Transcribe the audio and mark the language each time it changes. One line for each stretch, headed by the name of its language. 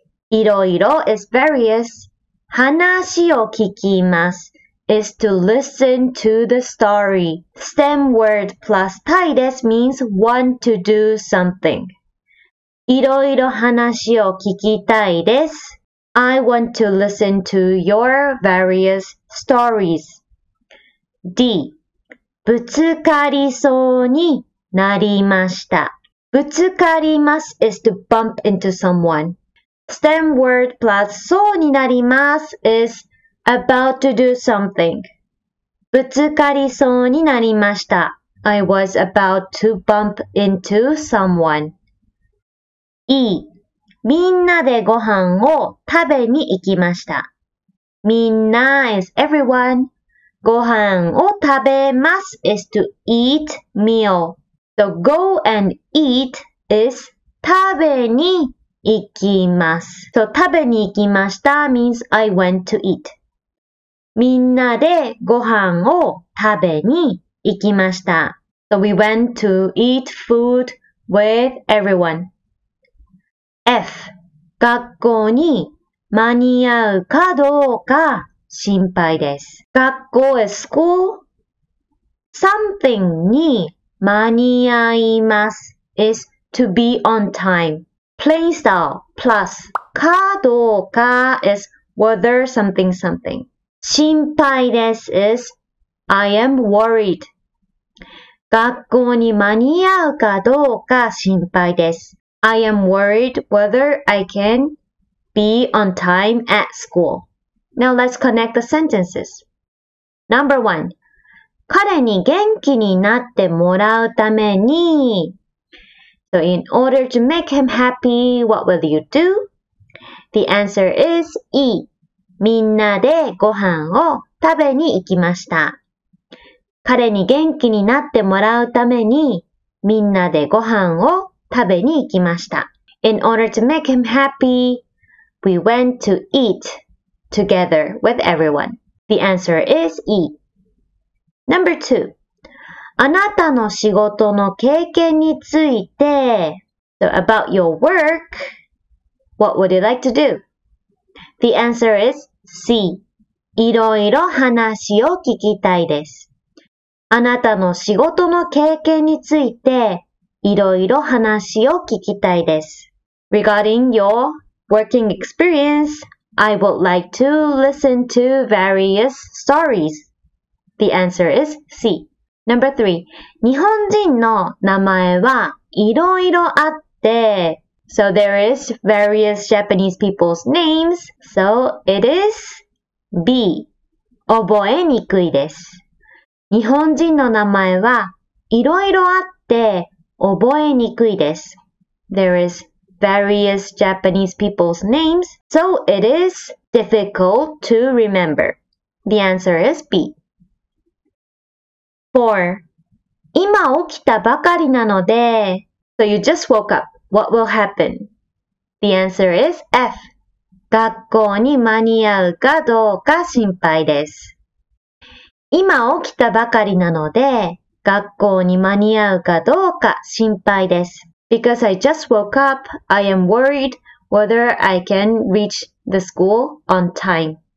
English: いろいろ is various.
Japanese: 話を聞きます
English: is to listen to the story. STEM word plus たいです means want to do something.
Japanese: いろいろ話を聞きたいです。
English: I want to listen to your various stories. D.
Japanese: ぶつかりそうになりました。
English: ぶつかります is to bump into someone. STEM word plus そうになります is about to do something.
Japanese: ぶつかりそうになりました。
English: I was about to bump into someone. E.
Japanese: みんなでご飯を食べに行きました。
English: みんな is everyone. ご飯を食べます is to eat meal. So go and eat is
Japanese: 食べに行きます。
English: So
Japanese: 食べに行きました
English: means I went to eat.
Japanese: みんなでご飯を食べに行きました。
English: So we went to eat food with everyone. F.
Japanese: 学校に間に合うかどうか心配です。
English: 学校 is school.
Japanese: Something に間に合います
English: is to be on time. Plain style plus
Japanese: かどうか
English: is whether something something. 心配です is I am worried.
Japanese: 学校に間に合うかどうか心配です。
English: I am worried whether I can be on time at school. Now let's connect the sentences. Number one.
Japanese: 彼に元気になってもらうために。
English: So in order to make him happy, what will you do? The answer is E.
Japanese: みんなでご飯を食べに行きました。彼に元気になってもらうために、みんなでご飯を食べに行きました。
English: In order to make him happy, we went to eat together with everyone. The answer is E. Number two.
Japanese: あなたの仕事の経験について。
English: So about your work, what would you like to do? The answer is C.
Japanese: いろいろ話を聞きたいです。あなたの仕事の経験について、いろいろ話を聞きたいです。
English: Regarding your working experience, I would like to listen to various stories. The answer is C. Number three.
Japanese: 日本人の名前はいろいろあって。
English: So there is various Japanese people's names. So it is B.
Japanese: 覚えにくいです。日本人の名前はいろいろあって覚えにくいです。
English: There is various Japanese people's names. So it is difficult to remember. The answer is B. 4.
Japanese: 今起きたばかりなので
English: So you just woke up. What will happen? The answer is F.
Japanese: 学校に間に合うかどうか心配です。今起きたばかりなので学校に間に合うかどうか心配です。
English: Because I just woke up, I am worried whether I can reach the school on time.